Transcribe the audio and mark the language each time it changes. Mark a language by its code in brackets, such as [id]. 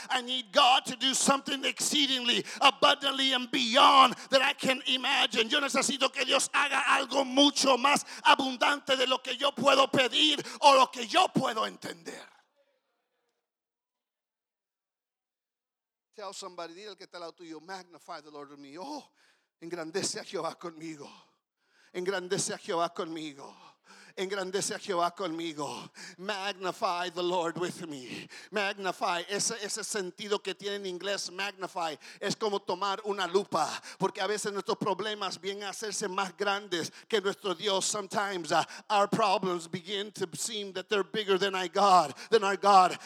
[en] I need God to do something exceedingly, abundantly, and beyond that I can imagine. [es] Yo necesito que Dios haga algo mucho más abundante de lo que yo puedo pedir o lo que yo puedo entender. [en] Tell somebody, [es] dile al que está al lado tuyo, [en] magnify the Lord with me. [es] Oh, engrandece a Jehová conmigo. Engrandece a Jehová conmigo. Engrandece a Jehová conmigo. [en] Magnify the Lord with me. Magnify. [es] Ese sentido que tiene en inglés, magnify, es como tomar una lupa. Porque a veces nuestros problemas vienen a hacerse más grandes que nuestro Dios. [en] Sometimes our problems begin to seem that they're bigger than our God.